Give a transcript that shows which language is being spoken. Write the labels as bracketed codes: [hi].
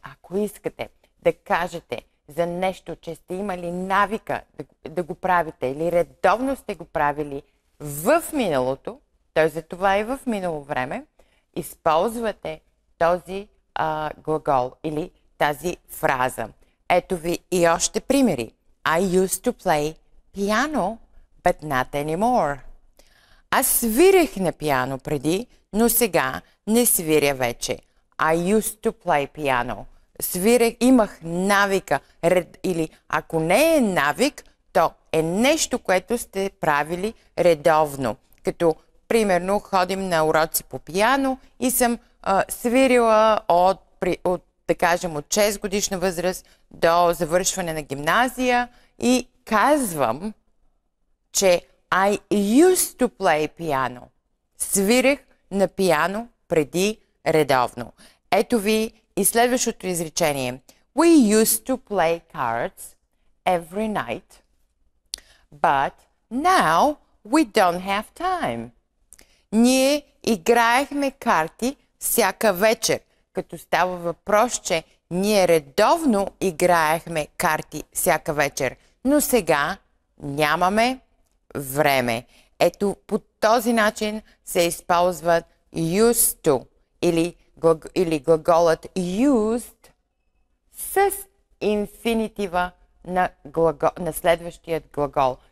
[bg] Ако искате да кажете за нещо, че сте имали навика да го правите или редовно сте го правили в миналото, т.е. за това и в минало време, използвате този глагол или тази фраза. Ето ви и още примери. [en] I used to play piano, but not anymore. [bg] Аз свирих на пиано преди, но сега не свиря вече. [en] I used to play piano. [bg] Свирих, имах навика. Или ако не е навик, то е нещо, което сте правили редовно. Като, примерно, ходим на уроци по пиано и съм свирила от, да кажем, от 6 годишна възраст до завършване на гимназия и казвам, че [en] I used to play piano. [bg] Свирих на пиано преди редовно. Ето ви и следващото изречение. [en] We used to play cards every night, but now we don't have time. [bg] Ние играехме карти всяка вечер. Като става въпрос, че ние редовно играехме карти всяка вечер, но сега нямаме време. Ето, по този начин се използва used to или глаголът used с инфинитива на следващият глагол.